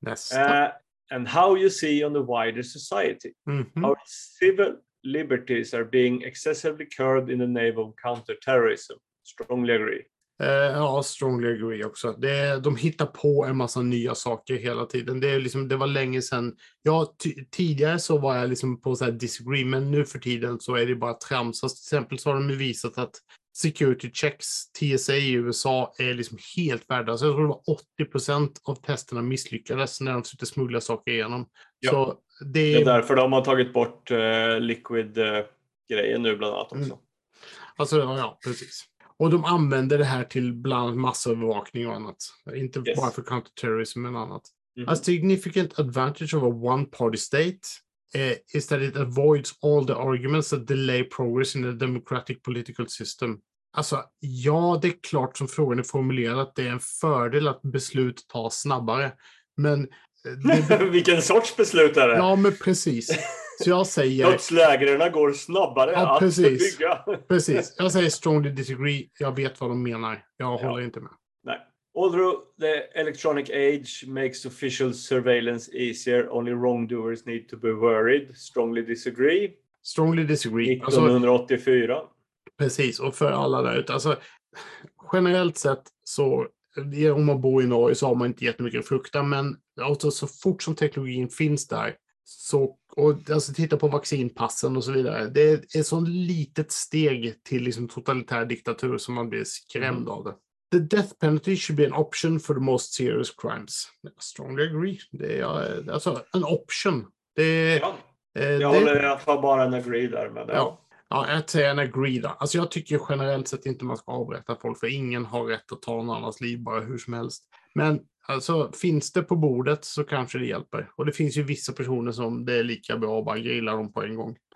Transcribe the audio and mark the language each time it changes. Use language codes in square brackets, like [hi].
[en] And how you see on the wider society. Mm-hmm. Our civil liberties are being excessively curbed in the name of counterterrorism. Strongly agree. [sv] Ja, [en] strongly agree [sv] också. De hittar på en massa nya saker hela tiden. Det är liksom, det var länge sedan. Ja, tidigare så var jag liksom på så här disagree, men nu för tiden så är det bara trams. Till exempel så har de ju visat att security checks, TSA i USA, är liksom helt värda. Så jag tror det var 80% av testerna misslyckades när de försökte smuggla saker igenom. Ja. Så det är därför de har tagit bort liquid-grejen nu bland annat också. Mm. Alltså, ja, precis. Och de använder det här till bland massövervakning och annat. Inte bara för counterterrorism men annat. [en] Mm. A significant advantage of a one-party state is that it avoids all the arguments that delay progress in a democratic political system. [sv] Alltså, ja, det är klart som frågan är formulerad att det är en fördel att beslut tas snabbare. Men vilken sorts beslut är det? Ja, men precis. Så jag säger dödslägren går snabbare att bygga. Precis. Jag säger [en] strongly disagree. [sv] Jag vet vad de menar. Jag håller inte med. Nej. [en] Although the electronic age makes official surveillance easier, only wrongdoers need to be worried. Strongly disagree. Strongly disagree. 1984. [sv] Alltså, precis. Och för alla där ute. Alltså, generellt sett så om man bor i Norge så har man inte jättemycket frukta, men alltså, så fort som teknologin finns där så, och alltså, titta på vaccinpassen och så vidare, det är ett sån litet steg till liksom, totalitär diktatur som man blir skrämd av det. [en] The death penalty should be an option for the most serious crimes. I strongly agree. [sv] Det är, alltså, [en] an option. Det, [sv] jag får bara en agree där med det. Ja. Ja, jag säger en agree då. Alltså jag tycker generellt sett inte man ska avrätta folk, för ingen har rätt att ta någon annans liv bara hur som helst. Men alltså, finns det på bordet så kanske det hjälper. Och det finns ju vissa personer som det är lika bra att bara grilla dem på en gång.